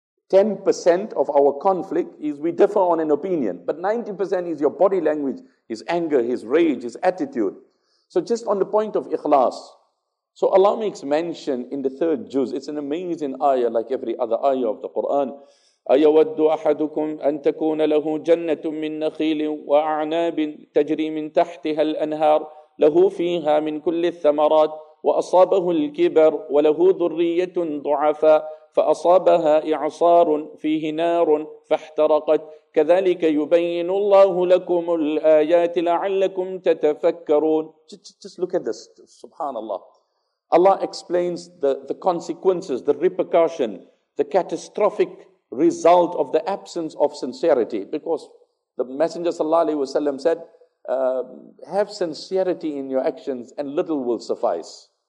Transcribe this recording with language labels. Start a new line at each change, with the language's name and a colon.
English: 10% of our conflict is we differ on an opinion, but 90% is your body language, his anger, his rage, his attitude. So just on the point of ikhlas. So Allah makes mention in the third juz, it's an amazing ayah like every other ayah of the Quran.
Arabic: أَيَوَدُّ أَحَدُكُمْ أَن تَكُونَ لَهُ جَنَّةٌ مِّن نَخِيلٍ وَأَعْنَابٍ تَجْرِي مِن تَحْتِهَا الْأَنْهَارِ لَهُ فِيهَا مِن كُلِّ الثَّمَرَاتِ وأصابه الكبر وله ذرية ضعفاء فأصابها إعصار فيه نار فاحترقت كذلك يبين الله لكم الآيات لعلكم تتفكرون.
English: Just look at this, subhanAllah. Allah explains the consequences, the repercussion, the catastrophic result of the absence of sincerity. Because the Messenger sallallahu alayhi wa sallam said, have sincerity in your actions and little will suffice.